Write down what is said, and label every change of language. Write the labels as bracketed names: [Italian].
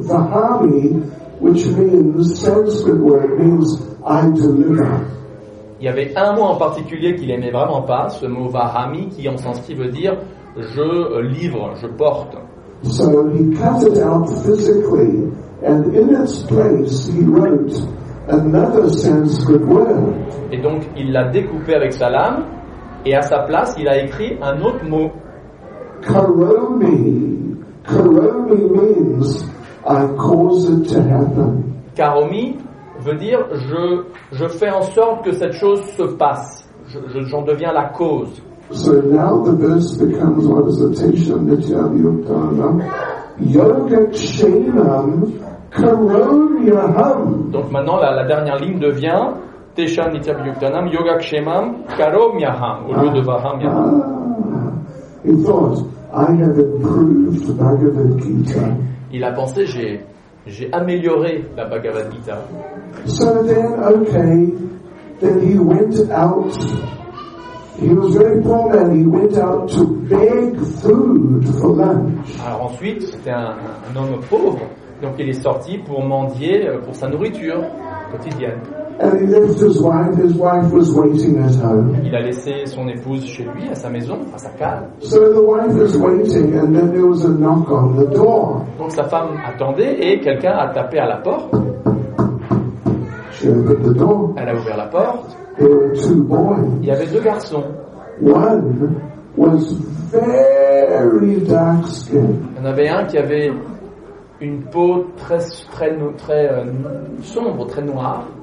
[English] Vahami, which means Sanskrit word, means I deliver. [French] Il y avait un mot en particulier qu'il aimait vraiment pas, ce mot Vahami, qui en sanskrit veut dire je livre, je porte. [English] So he cut it out physically, and in its place he wrote another Sanskrit word. [French] Et donc il l'a découpé avec sa lame. Et à sa place, il a écrit un autre mot. [English] Karomi. Karomi means I cause it to happen. [French] Karomi veut dire je fais en sorte que cette chose se passe. J'en deviens la cause. [English] So now the verse becomes what is the teaching that you have yogana. [Sanskrit] Yoga kshemam karomyaham. [French] Donc maintenant la dernière ligne devient Teshan Nityabhyuktanam Yoga Kshemam Karomyaham au lieu de Vahamyaham. [English] He thought, I have improved Bhagavad Gita. [French] Il a pensé, j'ai amélioré la Bhagavad Gita. [English] So then, okay, that he went out. He was very poor man. He went out to beg food for lunch. [French] Alors ensuite, c'était un homme pauvre, donc il est sorti pour mendier pour sa nourriture quotidienne. [English] And he left his wife was waiting at home. [French] Il a laissé son épouse chez lui, à sa maison, à sa cave. [English] So the wife was waiting, and then there was a knock on the door. [French] Donc sa femme attendait et quelqu'un a tapé à la porte. [English] She opened the door. [French] Elle a ouvert la porte. [English] There were two boys. [French] Il y avait deux garçons. [English] One was very dark skin. [French] Il y en avait un qui avait une peau très sombre, très noire.